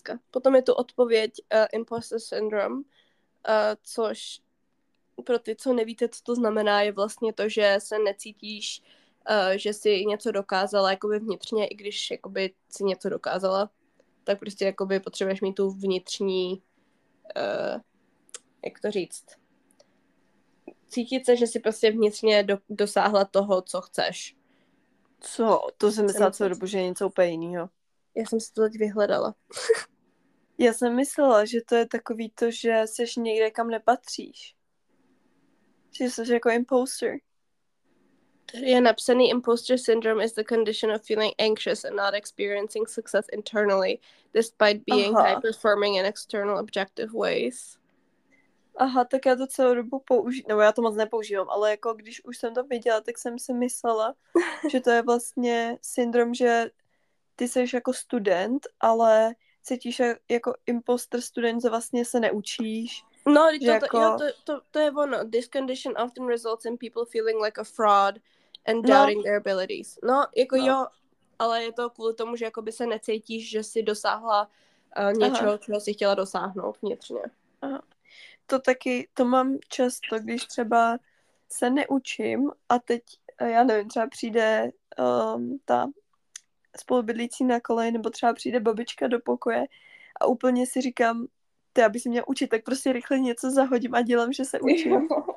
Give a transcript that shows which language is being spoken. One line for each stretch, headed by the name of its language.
Czech: Potom je tu odpověď imposter syndrome, což pro ty, co nevíte, co to znamená, je vlastně to, že se necítíš, že jsi něco dokázala jakoby vnitřně, i když jakoby jsi něco dokázala, tak prostě jakoby potřebuješ mít tu vnitřní, jak to říct, cítit se, že jsi prostě vnitřně dosáhla toho, co chceš. Co? To jsem myslela celou dobu, že je něco úplně jiného. Já jsem si to teď vyhledala. Já jsem myslela, že to je takový to, že jsi někde, kam nepatříš. Že jsi jako imposter. Tady je napsaný
English: imposter syndrome is the condition of feeling anxious and not experiencing success internally despite being high performing in external objective ways.
Czech: Aha, tak já to celou dobu používám, nebo já to moc nepoužívám, ale jako když už jsem to viděla, tak jsem si myslela, že to je vlastně syndrom, že ty jsi jako student, ale cítíš jako imposter student, že vlastně se neučíš. No, to je ono.
English: This condition often results in people feeling like a fraud and doubting their abilities.
Czech: No, jako no. Jo, ale je to kvůli tomu, že jakoby se necítíš, že jsi dosáhla něčeho, aha, čeho jsi chtěla dosáhnout vnitřně. Aha. To taky, to mám často, když třeba se neučím a teď, já nevím, třeba přijde ta spolubydlící na kolej, nebo třeba přijde babička do pokoje a úplně si říkám, ty, aby se měla učit, tak prostě rychle něco zahodím a dělám, že se učím.